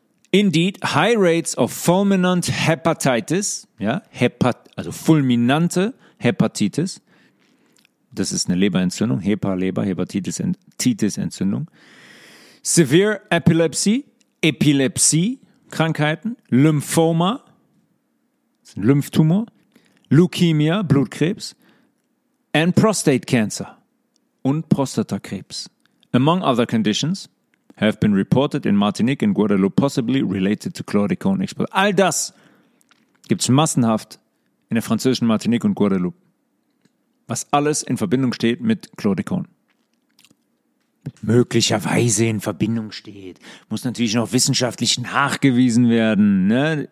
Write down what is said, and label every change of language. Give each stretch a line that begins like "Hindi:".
English: Indeed, high rates of fulminant hepatitis,
German: ja, also fulminante Hepatitis, das ist eine Leberentzündung, Hepatitis-Entzündung.
English: Severe epilepsy,
German: Epilepsie-Krankheiten, Lymphoma, das ist ein Lymphtumor, Leukämie, Blutkrebs,
English: and prostate cancer
German: und Prostatakrebs.
English: Among other conditions, have been reported in Martinique and Guadeloupe, possibly related to chlordecone exposure.
German: All das gibt es massenhaft in der französischen Martinique und Guadeloupe, was alles in Verbindung steht mit Chlordekon. Möglicherweise in Verbindung steht. Muss natürlich noch wissenschaftlich nachgewiesen werden. Ne?